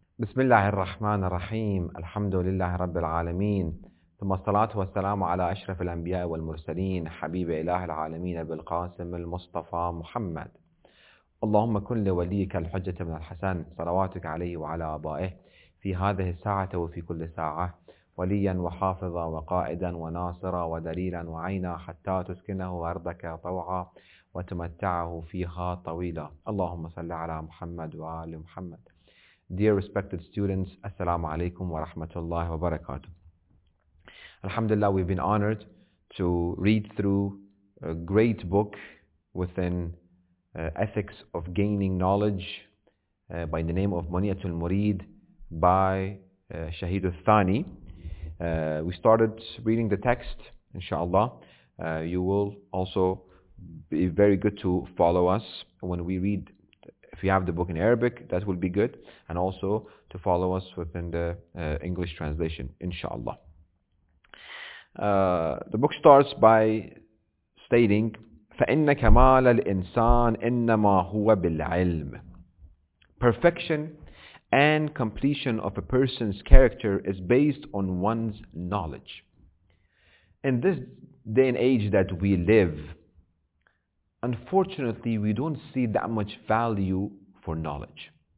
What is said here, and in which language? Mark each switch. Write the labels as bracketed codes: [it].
[ar] بسم الله الرحمن الرحيم الحمد لله رب العالمين ثم الصلاة والسلام على أشرف الأنبياء والمرسلين حبيب إله العالمين أبي القاسم المصطفى محمد اللهم كن لوليك الحجة بن الحسن صلواتك عليه وعلى آبائه في هذه الساعة وفي كل ساعة وليا وحافظا وقائدا وناصرا ودليلا وعينا حتى تسكنه أرضك طوعا وتمتعه فيها طويلا اللهم صل على محمد وآل محمد. [en] Dear respected students, assalamu alaikum wa rahmatullahi wa barakatuh. Alhamdulillah, we've been honored to read through a great book within ethics of gaining knowledge by the name of Muniyatul Murid by Shahid al-Thani. We started reading the text, inshallah. You will also be very good to follow us when we read. If you have the book in Arabic, that will be good. And also to follow us within the English translation, inshallah. The book starts by stating, [ar] فَإِنَّ كَمَالَ الْإِنسَانِ إِنَّمَا هُوَ بِالْعِلْمِ. [en] Perfection and completion of a person's character is based on one's knowledge. In this day and age that we live, unfortunately, we don't see that much value for knowledge.